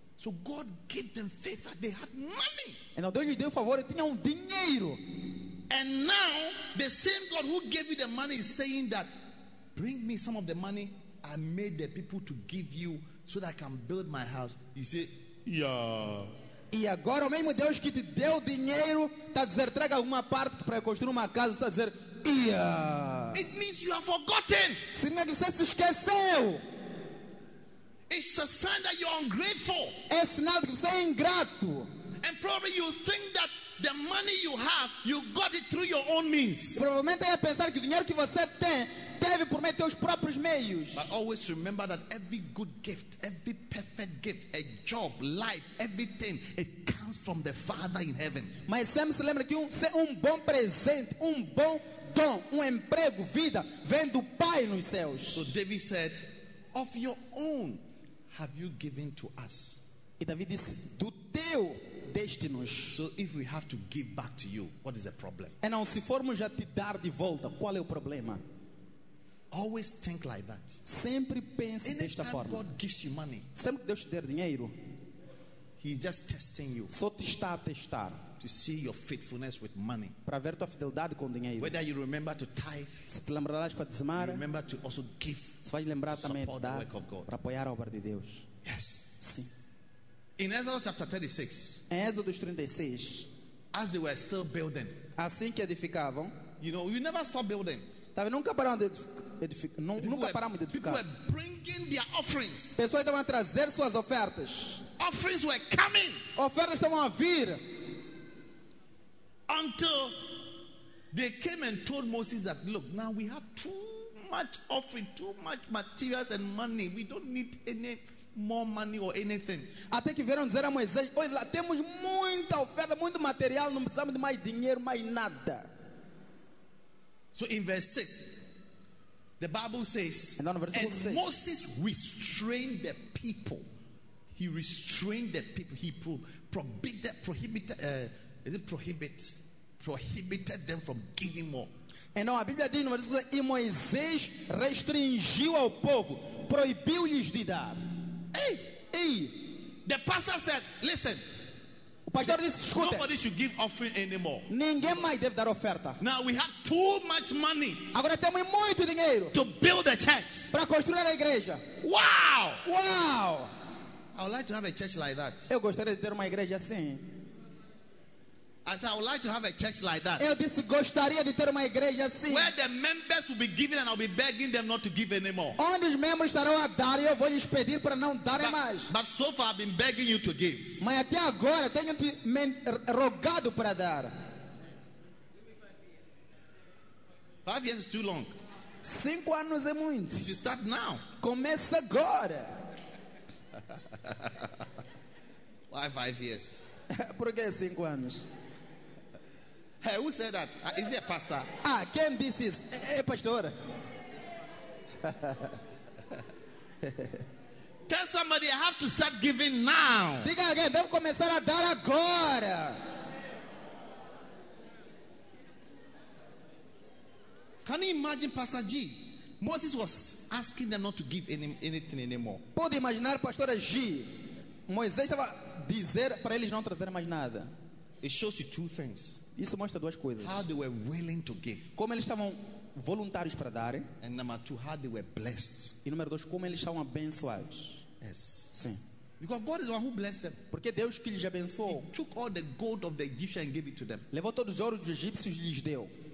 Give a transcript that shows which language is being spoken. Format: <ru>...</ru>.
<en>So God gave them faith that they had money.</en> <pt>Então Deus lhe deu favor, tinha dinheiro.</pt> <en>And now the same God who gave you the money is saying that, bring me some of the money I made the people to give you so that I can build my house. You say, yeah.</en> <pt>E agora o mesmo Deus que te deu dinheiro está a dizer, traga alguma parte para construir uma casa. Está a dizer, yeah.</pt> <en>It means you have forgotten.</en> <pt>Significa que você se esqueceu.</pt> <en>It's a sign that you're ungrateful.</en> <pt>É sinal que você é ingrato.</pt> <en>And probably you think that the money you have, you got it through your own means.</en> <pt>Provavelmente é pensar que o dinheiro que você tem teve por meio dos próprios meios.</pt> <en>But always remember that every good gift, every perfect gift, a job, life, everything, it comes from the Father in heaven.</en> <pt>Mas sempre se lembra que ser um bom presente, um bom dom, emprego, vida, vem do Pai nos céus.</pt> <en>So David said, of your own have you given to us.</en> <pt>E David disse, do teu deste-nos.</pt> <en>So if we have to give back to you, what is the problem?</en> <pt>E não, se formos já te dar de volta, qual é o problema?</pt> <en>Always think like that.</en> <pt>Sempre pense</pt> <en>anytime</en> <pt>desta forma.</pt> <en>God gives you money,</en> <pt>sempre que Deus te der dinheiro,</pt> <en>he's just testing you.</en> <pt>Só te está a testar.</pt> <en>To see your faithfulness with money.</en> <pt>Para ver tua fidelidade com dinheiro.</pt> <en>Whether you remember to tithe.</en> <pt>Se te lembrarás para dizimar.</pt> <en>Remember to also give.</en> <pt>Se vais lembrar também de dar para apoiar a obra de Deus.</pt> <en>Yes.</en> <pt>Sim.</pt> <en>In Exodus chapter 36.</en> <pt>Em Êxodo 36.</pt> <en>As they were still building.</en> <pt>Assim que edificavam.</pt> <en>You know, you never stop building.</en> <pt>Tava nunca parando de nunca paramos de edificar.</pt> <en>People were bringing their offerings.</en> <pt>Pessoas estavam a trazer suas ofertas.</pt> <en>Offerings were coming.</en> <pt>Ofertas estavam a vir.</pt> <en>Until they came and told Moses that, look, now we have too much offering, too much materials and money. We don't need any more money or anything.</en> <pt>Até que vieram dizer a Moisés, oi, lá temos muita oferta, muito material, não precisamos de mais dinheiro, mais nada.</pt> <en>So in verse 6, the Bible says, and then verse 6, Moses restrained the people. He restrained the people. He prohibited Is it prohibited them from giving more?</en> <pt>É, não, a Bíblia diz no versículo 2, e Moisés restringiu ao povo, proibiu-lhes de dar.</pt> <en>The pastor said, listen.</en> <pt>O pastor disse, escute.</pt> <en>Nobody should give offering anymore.</en> <pt>Ninguém mais deve dar oferta.</pt> <en>Now we have too much money.</en> <pt>Agora temos muito dinheiro.</pt> <en>To build a church.</en> <pt>Para construir a igreja. Wow! Wow!</pt> <en>I would like to have a church like that.</en> <pt>Eu gostaria de ter uma igreja assim.</pt> <en>I said, I would like to have a church like that.</en> <pt>Eu disse, gostaria de ter uma igreja assim.</pt> <en>Where the members will be giving and I'll be begging them not to give anymore.</en> <pt>Onde os membros estarão a dar e eu vou lhes pedir para não darem mais.</pt> <en>But so far I've been begging you to give.</en> <pt>Mas até agora tenho te rogado para dar.</pt> <en>5 years is too long.</en> <pt>5 anos é muito.</pt> <en>You should start now.</en> <pt>Comece agora.</pt> <en>Why 5 years?</en> <pt>Por que 5 anos?</pt> <en>Hey, who said that? Is it a pastor?</en> <pt>Ah, quem disse isso? É pastor.</pt> <en>Tell somebody I have to start giving now.</en> <pt>Diga a alguém, devo começar a dar agora.</pt> <en>Can you imagine Pastor G? Moses was asking them not to give anything anymore.</en> <pt>Pode imaginar Pastor G? Moisés estava dizer para eles não trazer mais nada.</pt> <en>It shows you two things.</en> <pt>Isso mostra duas coisas.</pt> <en>How they were willing to give.</en> <pt>Como eles estavam voluntários para darem.</pt> <en>And number two, how they were blessed.</en> <pt>E número dois, como eles estavam abençoados.</pt> <en>Yes.</en> <pt>Sim.</pt> <en>Because God is the one who blessed them.</en> <pt>Porque Deus que lhes abençoou.</pt> <en>He took all the gold of the Egyptians and gave it to them.</en> <pt>Levou todos os ouros dos egípcios e lhes deu.</pt>